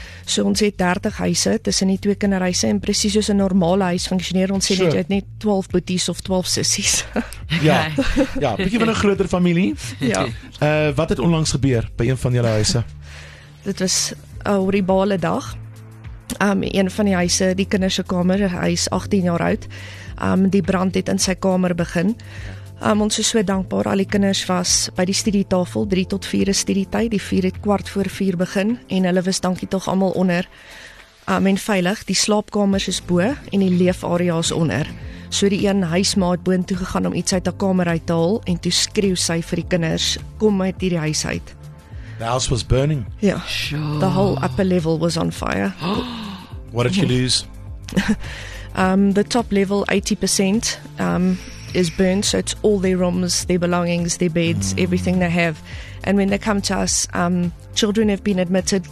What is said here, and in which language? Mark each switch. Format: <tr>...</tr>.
<af>So ons het 30 huise tussen die 2 kinderhuise en presies soos 'n normale huis funksioneer. Ons sê dit het net 12 boeties of 12 sissies. Ja, ja, bietjie van 'n groter familie. Ja. Wat het onlangs gebeur by een van julle huise? Dit was 'n horribale dag. Een van die huise, die kinders se kamer, hy is 18 jaar oud. Die brand het in sy kamer begin. Ons is so dankbaar, al die kinders was by die studietafel, 3 tot 4 studietyd, die 4 het kwart voor 4 begin en hulle was dankie tog almal onder. En veilig, die slaapkamers is bo en die leefareas onder. So die een huismaat boontoe gegaan om iets uit haar kamer uit te haal en toe skreeu sy vir die kinders, kom uit hierdie huis uit.</af> <en>The house was burning. Yeah. Sure. The whole upper level was on fire. What did you lose? The top level, 80%, is burned. So it's all their rooms, their belongings, their beds, everything they have. And when they come to us, children have been admitted.</en>